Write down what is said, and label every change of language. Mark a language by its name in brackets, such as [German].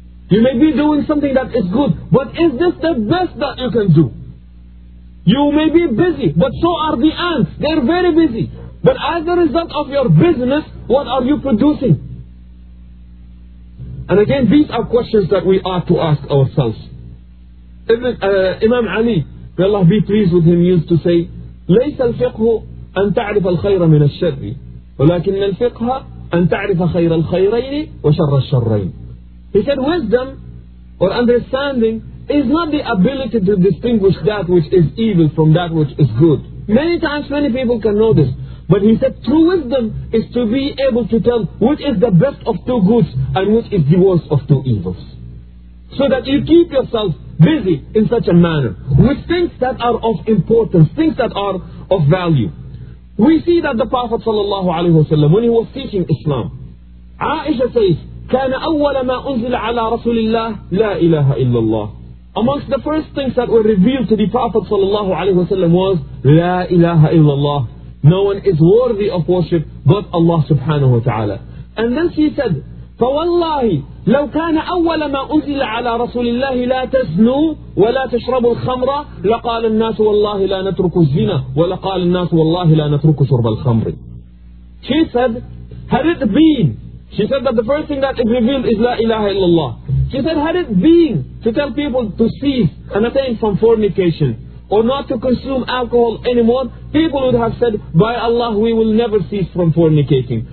[English] You may be doing something that is good, but is this the best that you can do? You may be busy, but so are the ants. They are very busy. But as a result of your business, what are you producing? And again, these are questions that we ought to ask ourselves. Imam Ali, may Allah be pleased with him, used to say, [Arabic] لَيْسَ الْفِقْهُ أَن تَعْرِفَ الْخَيْرَ مِنَ الشَّرِّ وَلَكِنَّ الْفِقْهَ أَن تَعْرِفَ خَيْرَ الْخَيْرَيْنِ وَشَرَّ الشَّرَّيْنِ. [English] He said, wisdom or understanding is not the ability to distinguish that which is evil from that which is good. Many times many people can know this. But he said true wisdom is to be able to tell which is the best of two goods and which is the worst of two evils. So that you keep yourself busy in such a manner with things that are of importance, things that are of value. We see that the Prophet sallallahu alaihi wasallam, when he was teaching Islam, Aisha says, [Arabic] كان أول ما أنزل على رسول الله لا إله إلا الله. [English] Amongst the first things that were revealed to the Prophet sallallahu alaihi wasallam was [Arabic] لا إله إلا الله. [English] No one is worthy of worship but Allah subhanahu wa ta'ala. And then she said, [Arabic] فوالله لو كان أول ما أنزل على رسول الله لا تزنوا ولا تشربوا الخمر لقال الناس والله لا نترك الزنا ولقال الناس والله لا نترك شرب الخمر. [English] She said, had it been, she said that the first thing that it revealed is [Arabic] لا إله إلا الله. [English] She said, had it been to tell people to cease and attain from fornication or not to consume alcohol anymore, people would have said, by Allah, we will never cease from fornicating.